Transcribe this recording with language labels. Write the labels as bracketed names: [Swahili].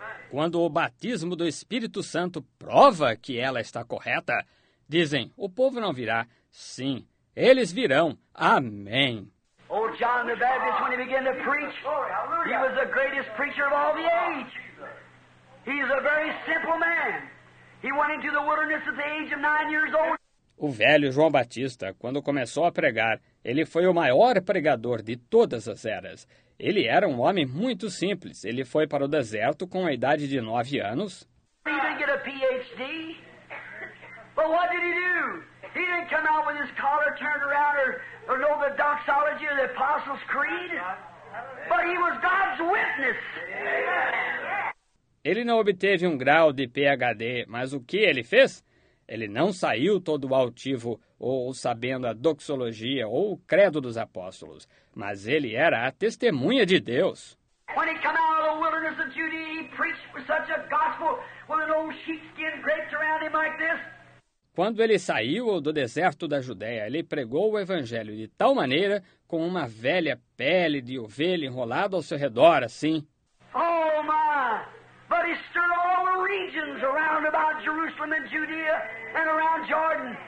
[Portuguese] Quando o batismo do Espírito Santo prova que ela está correta, dizem, o povo não virá. Sim, eles virão. Amém. [English] O John the Baptist, when he began to preach, he was the greatest preacher of all the age. He's a very simple man. He went into the wilderness at the age of 9 years old. [Portuguese] O velho João Batista, quando começou a pregar, ele foi o maior pregador de todas as eras. Ele era um homem muito simples. Ele foi para o deserto com a idade de 9 anos. [English] He didn't get a PhD. But what did he do? He didn't come out with his collar turned around or know the doxology of the Apostles' Creed. But he was God's witness. [Portuguese] Ele não obteve um grau de PhD, mas o que ele fez? Ele não saiu todo altivo ou sabendo a doxologia ou o credo dos apóstolos, mas ele era a testemunha de Deus. [English] When he came out of the wilderness of Judea, he preached with such a gospel with an old sheepskin draped around him like this. [Portuguese] Quando ele saiu do deserto da Judéia, ele pregou o evangelho de tal maneira com uma velha pele de ovelha enrolada ao seu redor, assim. [English] Oh, my! But he stirred all the regions around about Jerusalem and Judea and around Jordan.